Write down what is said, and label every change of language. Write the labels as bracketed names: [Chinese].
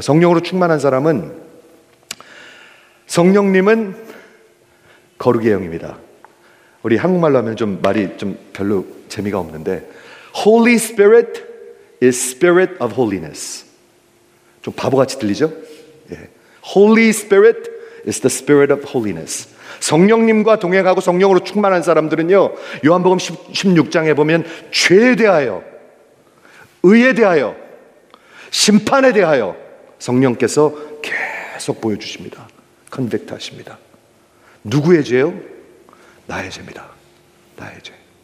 [Korean] 성령으로 충만한 사람은, 성령님은 거룩의 영입니다. 우리 한국말로 하면 좀 말이 좀 별로 재미가 없는데 [English] Holy Spirit is Spirit of Holiness. [Korean] 좀 바보같이 들리죠? 예. [English] Holy Spirit is the Spirit of Holiness. [Korean] 성령님과 동행하고 성령으로 충만한 사람들은요, 요한복음 16장에 보면 죄에 대하여, 의에 대하여, 심판에 대하여 성령께서 계속 보여주십니다. 컨벡트 하십니다. 누구의 죄요? 나의 죄입니다. 나의 죄.